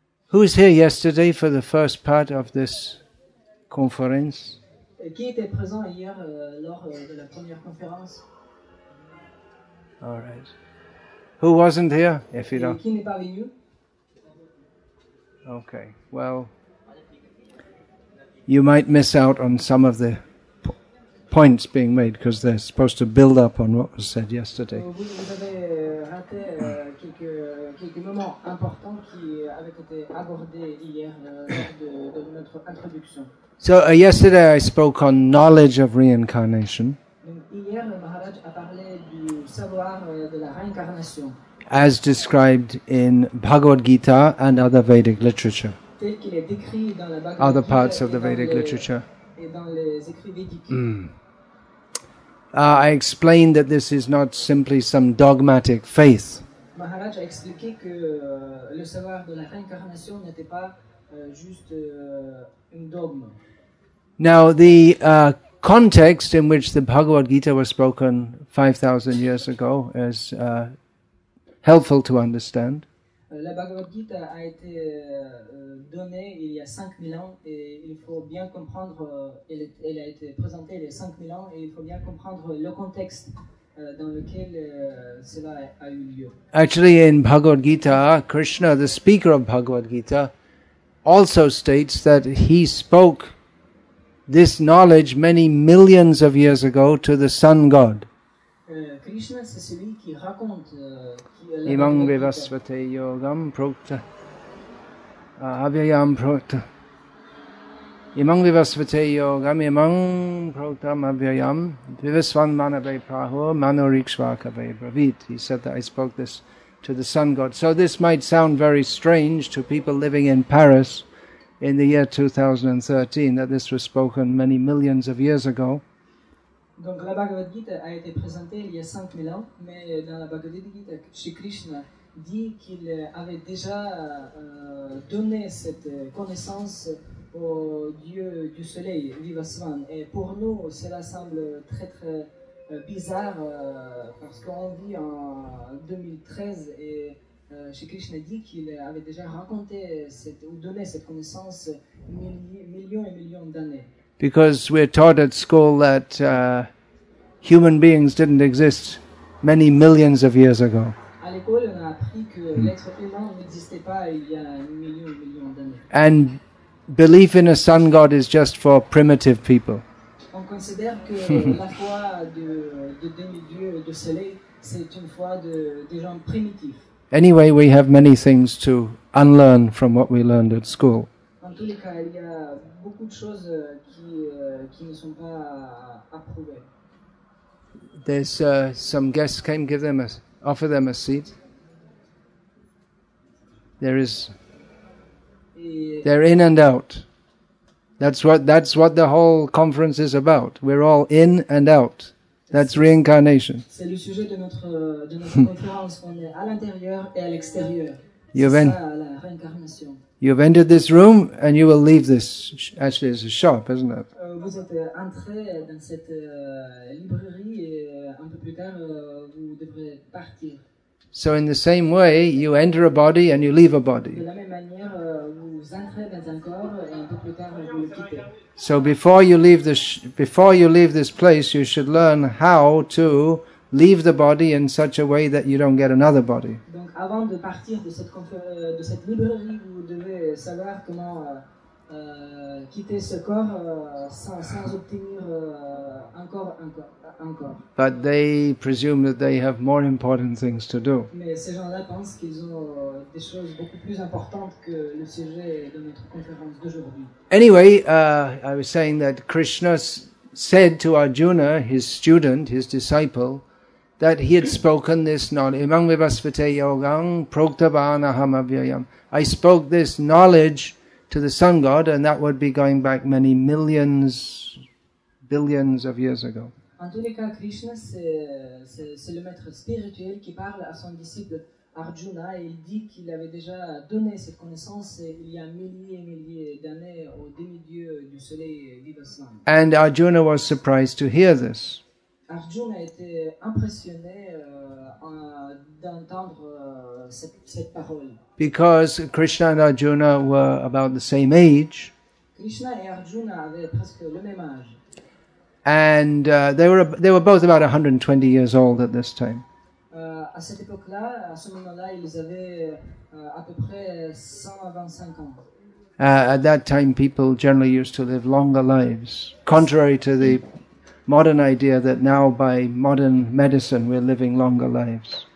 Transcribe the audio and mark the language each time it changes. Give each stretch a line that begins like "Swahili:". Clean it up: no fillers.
English: Who is here yesterday for the first part of this conference?
French: Qui était présent hier lors de la première conférence?
English: All right. Who wasn't here? If you don't.
French: Qui n'est pas venu? Okay.
English: Well, you might miss out on some of the points being made because they're supposed to build up on what was said yesterday.
French: Vous avez raté quelques moments importants qui avaient été abordés hier lors de notre introduction.
English: So yesterday I spoke on knowledge of reincarnation.
French: Hier, Maharaj a parlé du savoir de la réincarnation.
English: As described in Bhagavad Gita and other Vedic literature.
French: Tel qu'il est décrit dans la Bhagavad Gita.
English: Other parts of the Vedic literature.
French: Et dans les écrits védiques. Mm.
English: I explained that this is not simply some dogmatic faith.
French: Maharaj a expliqué que le savoir de la réincarnation n'était pas juste une dogme.
English: Now, the context in which the Bhagavad Gita was spoken 5,000 years ago is helpful to understand.
French: La Bhagavad Gita a été donnée il y a 5000 ans et il faut bien comprendre, elle a été présentée il y a 5000 ans et il faut bien comprendre le contexte dans lequel cela a eu lieu.
English: Actually, in Bhagavad Gita, Krishna, the speaker of Bhagavad Gita, also states that he spoke this knowledge many millions of years ago to the sun god.
French: Krishna, c'est celui qui raconte.
Sanskrit: Imam Vivasvate Yogam Prokta Avyayam Prokta Imam Vivasvate Yogam Imam Proktam Avyayam Vivasvan Manave Prahu Manorikshvakave Bravit.
English: He said that I spoke this to the sun god. So this might sound very strange to people living in Paris in the year 2013 that this was spoken many millions of years ago.
French: Donc la Bhagavad Gita a été présentée il y a 5000 ans, mais dans la Bhagavad Gita, Sri Krishna dit qu'il avait déjà donné cette connaissance au dieu du soleil, Vivasvan. Et pour nous, cela semble très très bizarre, parce qu'on vit en 2013, et Sri Krishna dit qu'il avait déjà raconté cette, ou donné cette connaissance millions et millions d'années.
English: Because we're taught at school that human beings didn't exist many millions of years ago.
French: À l'école, on a appris que l'être humain n'existait pas il y a millions et millions d'années.
English: And belief in a sun god is just for primitive people.
French: On considère que la foi de demi-dieu, de soleil, c'est une foi de gens primitifs.
English: Anyway, we have many things to unlearn from what we learned at school.
French: En tous les cas, il y a beaucoup de choses qui ne sont pas approuvées.
English: There's some guests came, give them a, offer them a seat. There is, they're in and out. That's what the whole conference is about. We're all in and out. That's reincarnation.
French: C'est le sujet de notre conférence. On est à l'intérieur et à l'extérieur. La réincarnation.
English: You've entered this room and you will leave this. Actually, it's a shop, isn't it?
French: Vous êtes entré dans cette librairie et un peu plus tard, vous devrez partir.
English: So in the same way, you enter a body and you leave a body.
French: De la même manière, vous entrez dans un corps et un peu plus tard, vous le quittez.
English: So before you leave this place, you should learn how to leave the body in such a way that you don't get another body.
French: Donc avant de partir de cette librairie, vous devez savoir comment quitter ce corps sans obtenir encore.
English: But they presume that they have more important things to do.
French: Mais ces gens-là pensent qu'ils ont des choses beaucoup plus importantes que le sujet de notre conférence d'aujourd'hui.
English: Anyway, I was saying that Krishna said to Arjuna, his student, his disciple, that he had spoken this knowledge.
Sanskrit: Imam Vivasvate Yogam Proktavanaham Avyayam.
English: I spoke this knowledge to the sun god, and that would be going back many millions, billions of years ago.
French: En tous les cas, Krishna, c'est le maître spirituel qui parle à son disciple Arjuna, et il dit qu'il avait déjà donné cette connaissance il y a milliers et milliers d'années au demi-dieu du soleil Vivasvan.
English: And Arjuna was surprised to hear this.
French: Arjuna a été impressionné d'entendre cette parole.
English: Because Krishna and Arjuna were about the same age.
French: Krishna et Arjuna avaient presque le même âge.
English: And they were both about 120 years old at this time.
French: À cette époque-là, à ce moment-là, ils avaient à peu près 125 ans.
English: At that time, people generally used to live longer lives, contrary to the modern idea that now, by modern medicine, we're living longer lives.